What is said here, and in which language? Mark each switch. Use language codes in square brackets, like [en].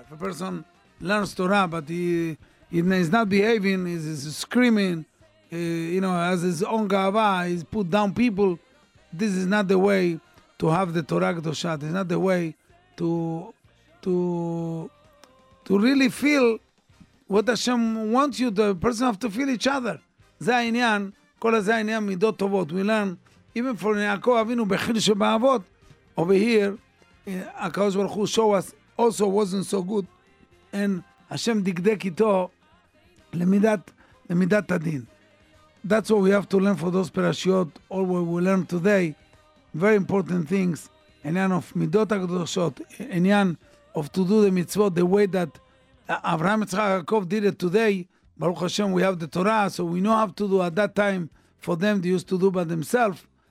[en] If a person learns Torah, but he is not behaving, he's screaming, as his own gava, he's put down people. This is not the way to have the Torah Kedosha. This is not the way to really feel what Hashem wants you. The person have to feel each other. [he] זה העניין, כל הזה העניין מידות טובות. [en] We learn, even for Yaakov Avinu, [he] בחיל שבעבות, [en] over here, HaKadosh Baruch Hu show us also wasn't so good. And Hashem [he] דקדק איתו למידת הדין. [en] That's what we have to learn for those parashiyot, or what we learn today. Very important things. Enyan of midot ha-kadoshot. Enyan of to do the mitzvot the way that Avraham Yitzchak Yaakov did it today. Baruch Hashem, we have the Torah, so we know how to do at that time for them they used to do by themselves.